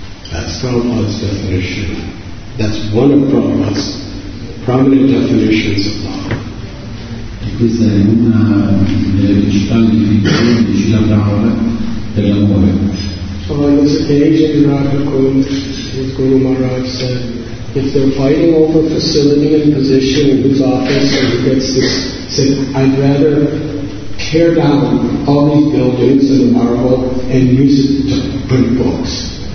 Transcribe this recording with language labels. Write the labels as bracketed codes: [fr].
[en] That's Prabhupada's definition. That's one of Prabhupada's prominent definitions of love. [it] E questa è una delle principali definizioni di Srila Prabhupada dell'amore. [en] So on this occasion, Radha Kund, his Guru Maharaj said, if they're fighting over facility and position in whose office and who gets this, said, I'd rather tear down all these buildings and the marble and use it to print books.